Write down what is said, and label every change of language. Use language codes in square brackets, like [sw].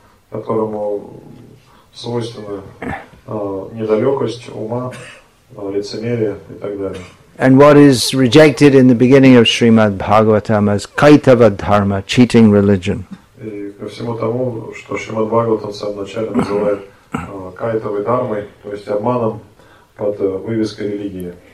[ru] которому свойственно недалекость ума, лицемерие и так далее. [en] And what is rejected in the beginning of Srimad Bhagavatam as Kaitava Dharma, cheating religion. [ru] И ко всему тому, что Шримад Бхагаватам в самом начале называет Кайтавой Дхармой, то есть обманом под вывеской религии.